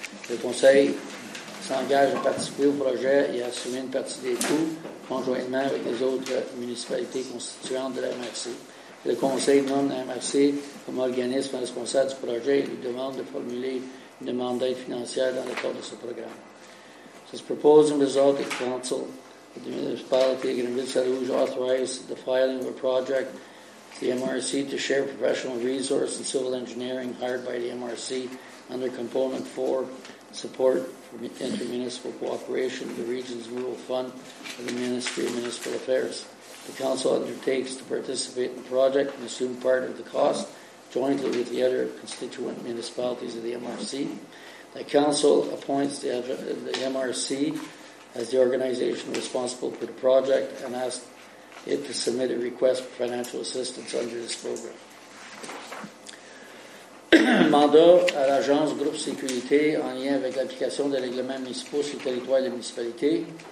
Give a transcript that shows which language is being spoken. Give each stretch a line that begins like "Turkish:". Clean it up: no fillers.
French: Le conseil s'engage à participer au projet et à assumer une partie des coûts conjointement avec les autres municipalités constituantes de la MRC. Le conseil nomme la MRC comme organisme responsable du projet et lui demande de formuler une demande d'aide financière dans le cadre de ce programme.
English: This is proposing result of council of the municipality of Grande-Missale-Rouge authorized the filing of a project the MRC to share professional resource and civil engineering hired by the MRC under component 4 support for intermunicipal cooperation the region's rural fund of the Ministry of Municipal Affairs. The council undertakes to participate in the project and assume part of the cost jointly with the other constituent municipalities of the MRC. The council appoints the MRC as the organization responsible for the project and asks it to submit a request for financial assistance under this program.
French: Mandat à l'agence Groupe Sécurité en lien avec l'application des règlements municipaux sur le territoire de la municipalité.